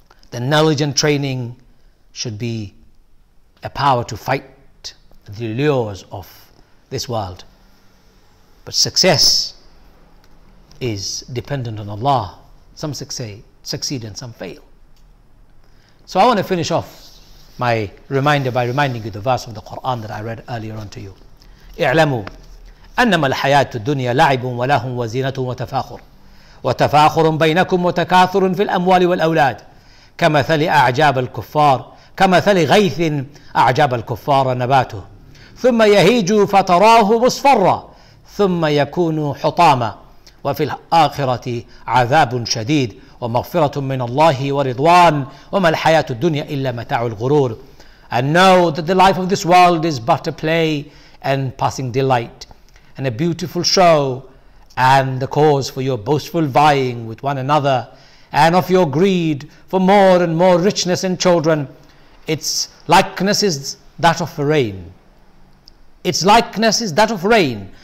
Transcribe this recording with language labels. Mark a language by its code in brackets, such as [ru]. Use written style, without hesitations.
[en] The knowledge and training should be a power to fight the lures of this world. But success is dependent on Allah. Some succeed and some fail. So I want to finish off my reminder by reminding you the verse of the Quran that I read earlier on to you. [ar] اعلموا أنما الحياة الدنيا لعب ولهو وزينة وتفاخر وتفاخر بينكم وتكاثر في الأموال والأولاد كمثل أعجاب الكفار كمثل غيث أعجاب الكفار نباته ثم يهيج فتراه مصفرا ثم يكون حطاما وفي الآخرة عذاب شديد ومغفرة من الله ورضوان وما الحياة الدنيا إلا متاع الغرور. [en] And know that the life of this world is but a play and passing delight and a beautiful show and the cause for your boastful vying with one another and of your greed for more and more richness in children. Its likeness is that of rain. Its likeness is that of rain.